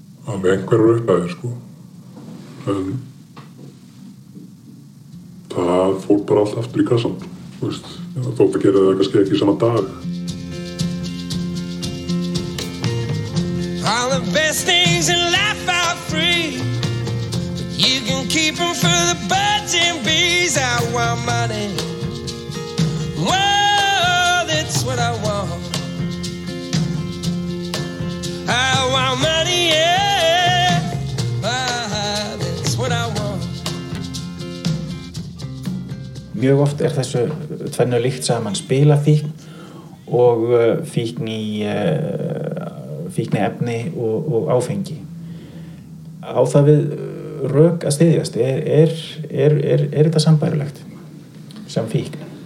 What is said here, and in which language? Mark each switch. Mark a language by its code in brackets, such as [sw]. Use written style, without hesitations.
[is] Alveg einhverjar uppæðir, sko. En það fór bara allt aftur í kassan, þú veist. Það þótt að gera það kannski ekki sama dag. [en] All the best things in life are free. You can keep them for the birds and bees. I want money. Whoa. What I want, I want money, yeah, that's what I want. [is] Mjög oft þessu tvennu líkt saman, spila fíkn og fíkni efni og áfengi. Á það við rök að styðjast, er þetta sambærilegt sem fíkn?